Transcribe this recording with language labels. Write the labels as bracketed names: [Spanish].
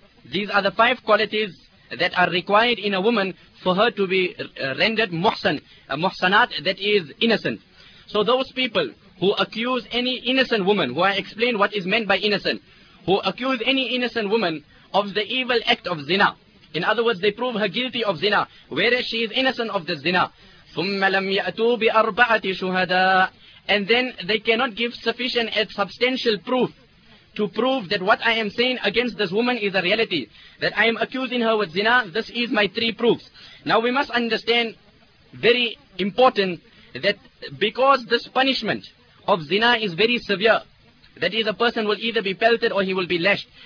[English] These are the five qualities that are required in a woman for her to be rendered muhsan, a muhsanat, that is, innocent. So those people who accuse any innocent woman, who I explained what is meant by innocent, who accuse any innocent woman of the evil act of zina. In other words, they prove her guilty of zina, whereas she is innocent of the zina. [Arabic] ثم لم يأتوا بأربعة شهداء. [English] And then they cannot give sufficient and substantial proof to prove that what I am saying against this woman is a reality. That I am accusing her with zina, this is my three proofs. Now we must understand, very important, that because this punishment of zina is very severe, that is, a person will either be pelted or he will be lashed.